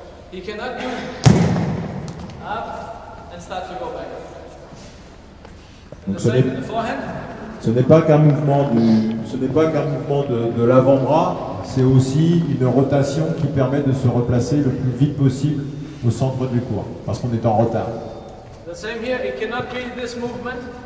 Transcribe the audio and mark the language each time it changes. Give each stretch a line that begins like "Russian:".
English: He cannot do up and start to go back. Donc the same in the forehand.
French: Ce n'est pas qu'un mouvement du, ce n'est pas qu'un mouvement de l'avant-bras, c'est aussi une rotation qui permet de se replacer le plus vite possible au centre du court, parce qu'on est en retard.
English: The same here, it cannot be this movement.